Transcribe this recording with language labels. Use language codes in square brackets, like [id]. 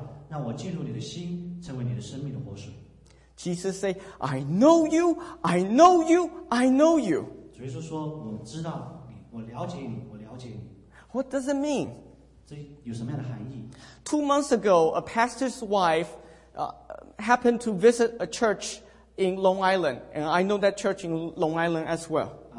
[zh] 主耶稣说，我知道你，我知道你生命中所你心里所有的需要，让我进入你的心，成为你的生命的活水。 [en] Jesus said, I know you, I know you, I know you. [zh] 主耶稣说，我知道你，我了解你，我了解你。 [en] What does it mean? [zh] 这有什么样的含义？ [en] 2 months ago, a pastor's wife happened to visit a church in Long Island, and I know that church in Long Island as well.